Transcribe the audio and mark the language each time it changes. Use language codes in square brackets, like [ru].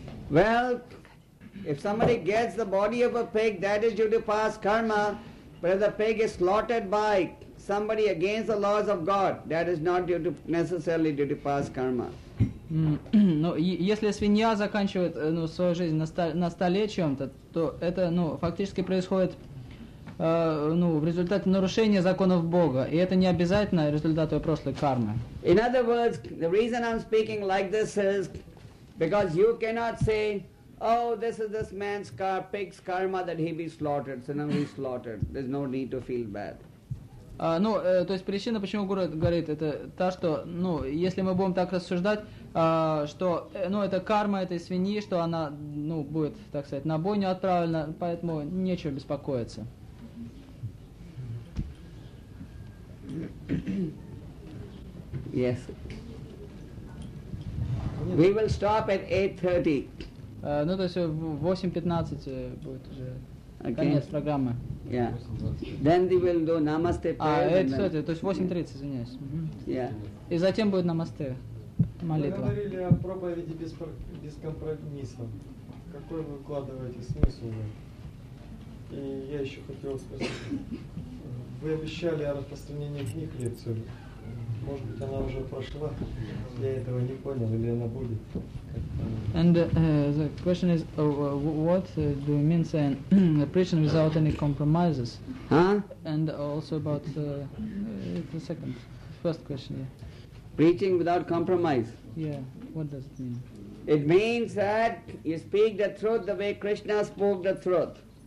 [en] Well, if somebody gets the body of a pig, that is due to past karma. But if the pig is slaughtered by somebody against the laws of God, that is not due to necessarily due to past karma. [ru] Ну, если свинья заканчивает свою жизнь на столе чем-то, то это фактически происходит в результате нарушения законов Бога, и это не обязательно результат ее прошлой кармы. [en] In other words, the reason I'm speaking like this is because you cannot say, oh, this is this man's pig's karma that he be slaughtered, so now he's slaughtered. There's no need to feel bad. [ru] То есть причина, почему Гуру говорит, это та, что, если мы будем так рассуждать, что, это карма этой свиньи, что она, будет, так сказать, на бойню отправлена, поэтому нечего беспокоиться. [en] Yes. We will stop at 8:30. [ru] То есть 8:15 будет уже конец программы. [en] Yeah. Then they will do намасте. [ru] То есть 8:30, извиняюсь. [en] Yeah. [ru] И затем будет намасте, молитва. Вы говорили о проповеди без компромиссов. Какой вы вкладываете смысл? И я еще хотел спросить. Вы обещали о распространении книг лекцию. Может быть, она уже прошла. Я этого не понял, или она будет? [en] And the question is, what do you mean saying preaching without any compromises? Huh? And also about the second, first question. Yeah. Preaching without compromise? Yeah, what does it mean? It means that you speak the truth the way Krishna spoke the truth.